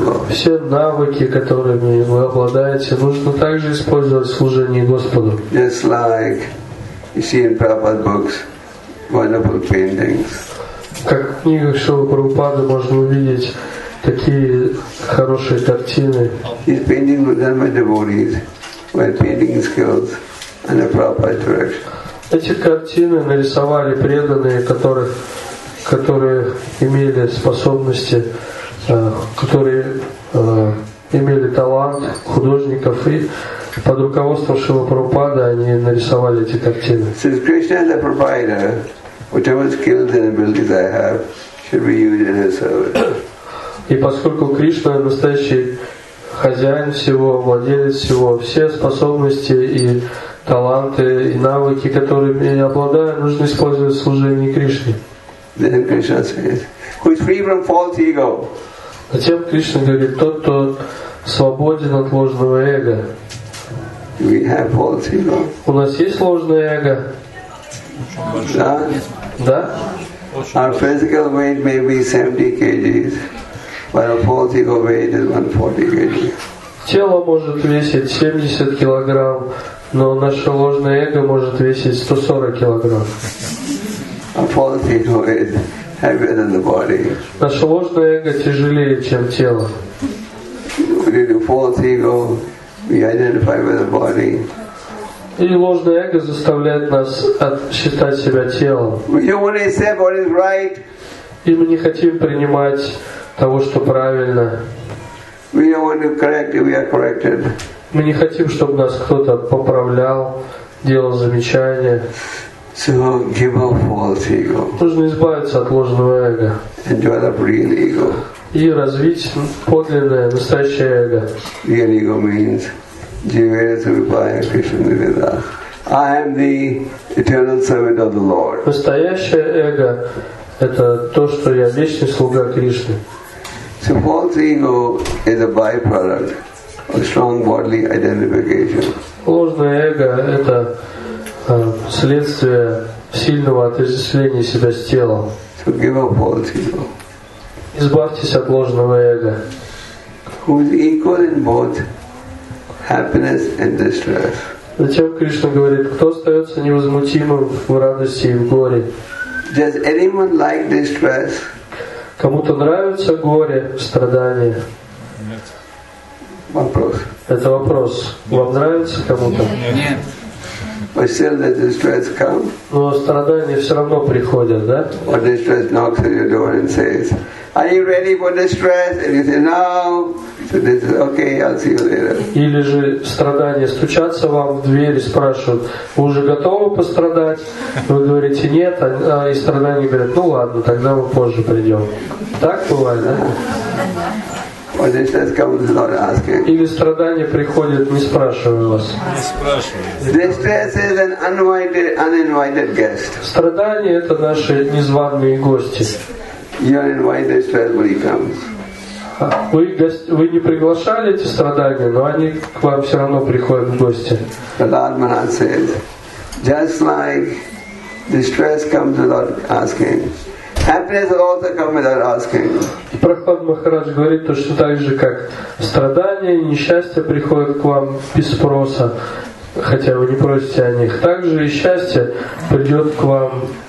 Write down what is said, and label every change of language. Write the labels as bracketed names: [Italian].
[Russian] Все навыки, которыми вы обладаете, нужно также использовать в служении Господу. [English] Just like you see in Prabhupada's books, wonderful paintings. [Russian] Как в книгах Шрилы Прабхупады можно увидеть такие хорошие картины. [English] His paintings were done by devotees, with painting skills and a proper direction. [Russian] Эти картины нарисовали преданные, которые имели способности, которые имели талант художников, и под руководством Шрилы Прабхупады они нарисовали эти картины. [English] Since Krishna is the provider, whatever skills and abilities I have should be used in His service. [Russian] И поскольку Кришна настоящий хозяин всего, владелец всего, все способности и таланты и навыки, которыми я обладаю, нужно использовать в служении Кришне. [English] Then Krishna says, who is free from false ego? [Russian] Затем Кришна говорит, тот, кто свободен от ложного эго. [English] We have false ego. [Russian] У нас есть ложное эго? Да. Да? [English] Our physical weight may be 70 kgs. But a false ego weight is 140 kg. [Russian] Тело может весить 70 килограмм, но наше ложное эго может весить 140 килограмм. [English] A false ego is heavier than the body. [Russian] Наше ложное эго тяжелее, чем тело. [English] Due to false ego, we identify with the body. [Russian] И ложное эго заставляет нас считать себя телом. [English] We don't want to accept what is right. [Russian] И мы не хотим принимать того, что правильно. [English] We don't want to correct, we are corrected. [Russian] Мы не хотим, чтобы нас кто-то поправлял, делал замечания. [English] So give up false ego. [Russian] Нужно избавиться от ложного эго. [English] And develop real ego. [Russian] И развить подлинное, настоящее эго. [English] Real ego means Jivaya Vibhaya Krishna Vida. I am the eternal servant of the Lord. [Russian] Настоящее эго — это то, что я вечный слуга Кришны. [English] So false ego is a byproduct of strong bodily identification. [Russian] Ложное эго — это следствие сильного отождествления себя с телом. [English] So give up false ego. [Russian] Избавьтесь от ложного эго. [English] Who is equal in both happiness and distress? [Russian] Затем Кришна говорит, кто остается невозмутимым в радости и в горе? [English] Does anyone like distress? [Russian] Кому-то нравится горе, страдания? Нет. Вопрос. Это вопрос. Нет. Вам нравится кому-то? Нет. [English] But still the distress come. [Russian] Но страдания все равно приходят, да? [English] Or distress knocks at your door and says, are you ready for distress? And you say, no. So this is okay, I'll see you later. [Russian] Или же страдания стучатся вам в дверь и спрашивают, вы уже готовы пострадать? Вы говорите, нет. А и страдания говорят, ну ладно, тогда мы позже придем. Так бывает, да? [English] Or distress comes without asking. [Russian] Или страдания приходят, не спрашивая вас. Не спрашивают. [English] Distress is an uninvited guest. [Russian] Страдания — это наши незваные гости. [English] You are invited to stress when he comes. [Russian] Вы не приглашали эти страдания, но они к вам все равно приходят в гости. [English] Prahlad Maharaj said, just like distress comes without asking, happiness also comes without asking. [Russian] Прахлад Махарадж говорит, что так же, как страдания и несчастье приходят к вам без спроса, хотя вы не просите о них, так же и счастье придет к вам.